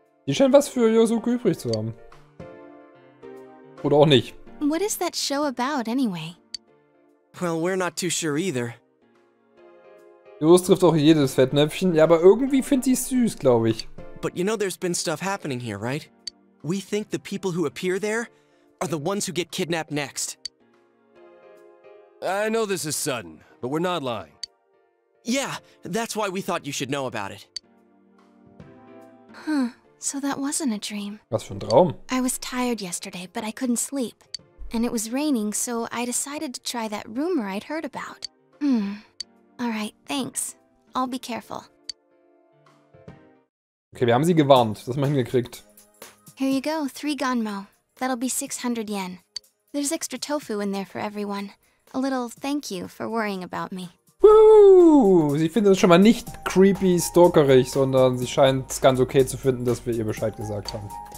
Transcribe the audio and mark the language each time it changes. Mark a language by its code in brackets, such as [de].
[de] Die scheint was für Yosuke übrig zu haben. Oder auch nicht. [en] What is that show about anyway? Well, we're not too sure either. [de] Jos trifft auch jedes Fettnäpfchen. Ja, aber irgendwie findet sie es süß, glaube ich. [en] But you know there's been stuff happening here, right? We think the people who appear there are the ones who get kidnapped next. I know this is sudden, but we're not lying. Yeah, that's why we thought you should know about it. Huh, so that wasn't a dream. [de] Was für ein Traum? [en] I was tired yesterday, but I couldn't sleep. And it was raining, so I decided to try that rumor I'd heard about. Alright, thanks. I'll be careful. [de] Okay, wir haben sie gewarnt. Das haben wir hingekriegt. [en] Here you go, 3 Ganmo. That'll be 600 yen. There's extra tofu in there for everyone. A little thank you for worrying about me. Woo! [de] Sie findet es schon mal nicht creepy stalkerig, sondern sie scheint es ganz okay zu finden, dass wir ihr Bescheid gesagt haben.